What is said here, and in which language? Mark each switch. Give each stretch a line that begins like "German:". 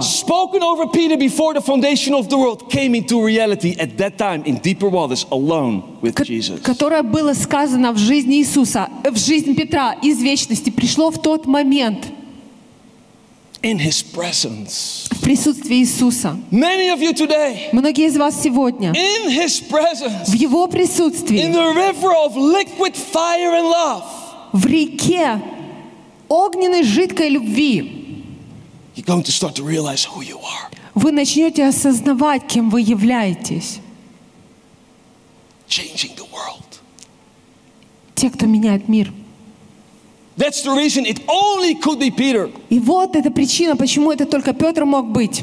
English: Spoken over Peter before the foundation of the world came into reality at that time in deeper waters alone with Jesus.
Russian: Которое было сказано в жизни Иисуса, в жизнь Петра из вечности пришло в тот момент.
English: In his presence.
Russian: В присутствии Иисуса.
English: Many of you today.
Russian: Многие из вас сегодня.
English: In his presence.
Russian: В его присутствии.
English: In the river of liquid fire and love.
Russian: В реке огненной жидкой любви.
English: You're going to start to realize who you are.
Russian: Вы начнете осознавать, кем вы являетесь.
English: Changing the world.
Russian: Те, кто меняет мир.
English: That's the reason it only could be Peter.
Russian: И вот эта причина, почему это только Петр мог быть.